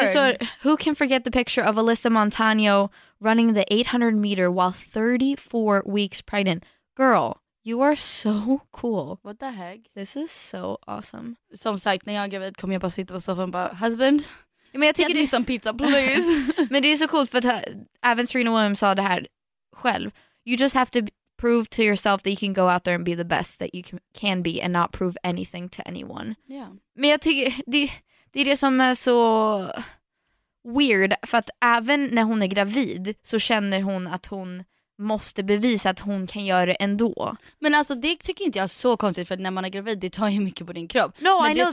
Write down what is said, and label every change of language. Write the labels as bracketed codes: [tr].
[sv] Det står, [en] who can forget the picture of Alyssa Montano running the 800 meter while 34 weeks pregnant? Girl, you are so cool. What the heck? This is so awesome. [sv] Som sagt, när jag är gravid kommer jag bara sitta på soffan och bara, husband, ja, men jag tycker [en] get me some pizza, please. [sv] Men det är så coolt, för att även Serena Williams sa det här själv. [en] You just have to... prove to yourself that you can go out there and be the best that you can be and not prove anything to anyone. Yeah. [sv] Men jag tycker det är det som är så weird, för att även när hon är gravid så känner hon att hon måste bevisa att hon kan göra det ändå. Men alltså, det tycker inte jag är så konstigt, för att när man är gravid, det tar ju mycket på din kropp. [en] No, [sv] men [en] I [sv] det [en] know